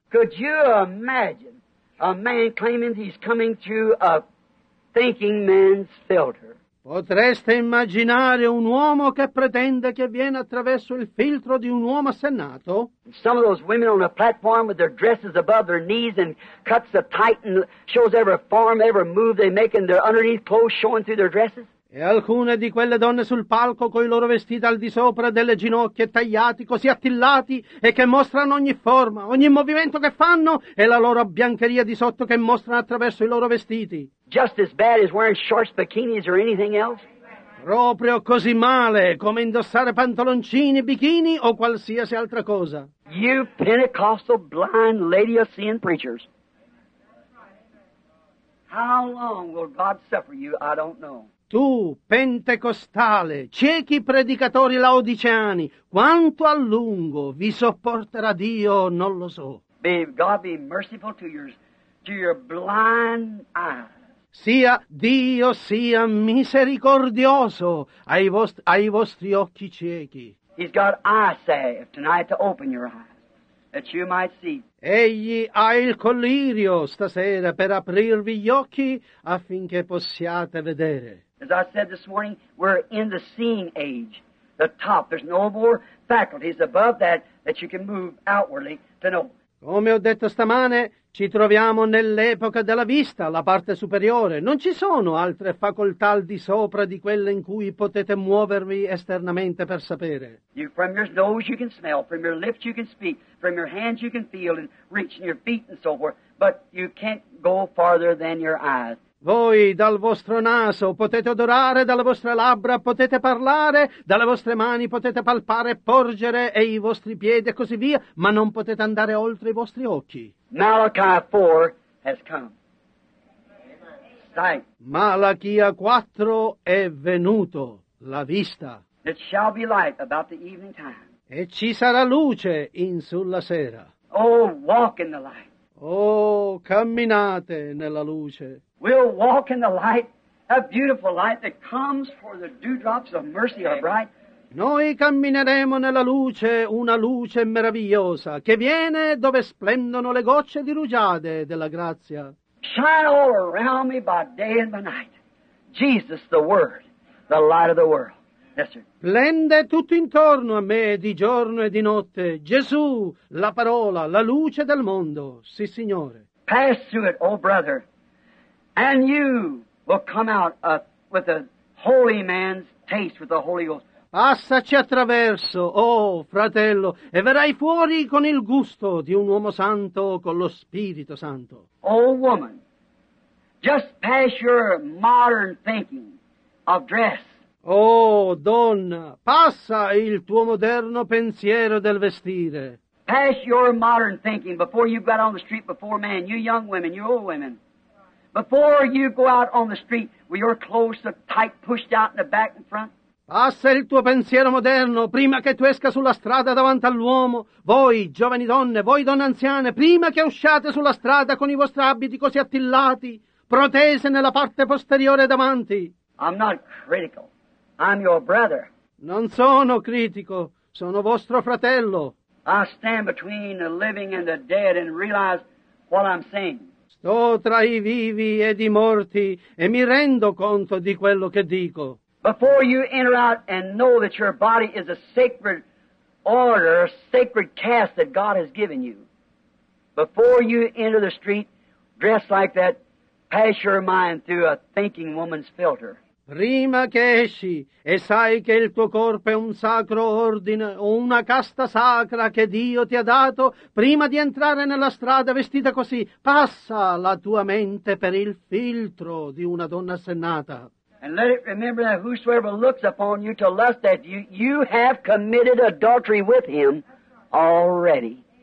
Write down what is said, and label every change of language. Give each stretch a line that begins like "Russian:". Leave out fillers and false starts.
English: Could you imagine a man claiming he's coming through a thinking man's filter?
Italian: Potreste immaginare un uomo che pretende che viene attraverso il filtro di un uomo assennato?
English: Some of those women on the platform with their dresses above their knees and cuts so tight and shows every form, every move they make in their underneath clothes showing through their dresses?
Italian: E alcune di quelle donne sul palco coi loro vestiti al di sopra delle ginocchia tagliati così attillati e che mostrano ogni forma, ogni movimento che fanno e la loro biancheria di sotto che mostrano attraverso i loro vestiti.
English: Just as bad as wearing shorts, bikinis or anything else?
Italian: Proprio così male come indossare pantaloncini, bikini o qualsiasi altra cosa.
English: You Pentecostal blind lady of sin preachers. How long will God suffer you? I don't know.
Italian: Tu, pentecostale, ciechi predicatori laodiceani, quanto a lungo vi sopporterà Dio, non lo so.
English: Babe, God be merciful to your blind eyes.
Italian: Sia Dio sia misericordioso ai vostri occhi ciechi.
English: He's got eye salve tonight to open your eyes, that you might see.
Italian: Egli ha il collirio stasera per aprirvi gli occhi affinché possiate vedere.
English: As I said this morning, we're in the seeing age, the top. There's no more faculties above that you can move outwardly to know.
Italian: Come ho detto stamane, ci troviamo nell'epoca della vista, la parte superiore. Non ci sono altre facoltà al di sopra di quelle in cui potete muovervi esternamente per sapere.
English: You, from your nose you can smell, from your lips you can speak, from your hands you can feel and reach and your feet and so forth, but you can't go farther than your eyes.
Italian: Voi dal vostro naso potete odorare, dalle vostre labbra potete parlare, dalle vostre mani potete palpare e porgere e i vostri piedi e così via, ma non potete andare oltre i vostri occhi.
English: Malachi 4 has come. Sight.
Italian: Malachia 4 è venuto, la vista.
English: It shall be light about the evening time.
Italian: E ci sarà luce in sulla sera.
English: Oh, walk in the light.
Italian: Oh, camminate nella luce.
English: We'll walk in the light, a beautiful light that comes for the dewdrops of mercy are bright.
Italian: Noi cammineremo nella luce, una luce meravigliosa, che viene dove splendono le gocce di rugiade della grazia.
English: Shine all around me by day and by night. Jesus, the Word, the light of the world. Yes, sir.
Italian: Splende tutto intorno a me di giorno e di notte. Gesù, la parola, la luce del mondo. Sì, Signore.
English: Pass through it, oh brother. And you will come out with a holy man's taste, with the Holy Ghost.
Italian: Passaci attraverso, oh fratello, e verrai fuori con il gusto di un uomo santo, con lo Spirito Santo.
English: Oh woman, just pass your modern thinking of dress.
Italian: Oh donna, passa il tuo moderno pensiero del vestire.
English: Pass your modern thinking before you got on the street before man, you young women, you old women. Before you go out on the street with your clothes so tight pushed out in the back and front.
Italian: Passa il tuo pensiero moderno prima che tu esca sulla strada davanti all'uomo. Voi, giovani donne, voi donne anziane, prima che usciate sulla strada con i vostri abiti così attillati, protese nella parte posteriore davanti.
English: I'm not critical. I'm your brother.
Italian: Non sono critico. Sono vostro fratello.
English: I stand between the living and the dead and realize what I'm saying.
Italian: Sto tra i vivi ed i morti e mi rendo conto di quello che dico.
English: Before you enter out and know that your body is a sacred order, a sacred cast that God has given you, before you enter the street dressed like that, pass your mind through a thinking woman's filter.
Italian: Prima che esci e sai che il tuo corpo è un sacro ordine o una casta sacra che Dio ti ha dato, prima di entrare nella strada vestita così, passa la tua mente per il filtro di una donna assennata.
English: And let it remember that whosoever looks upon you to lust at you, you have committed adultery with him already.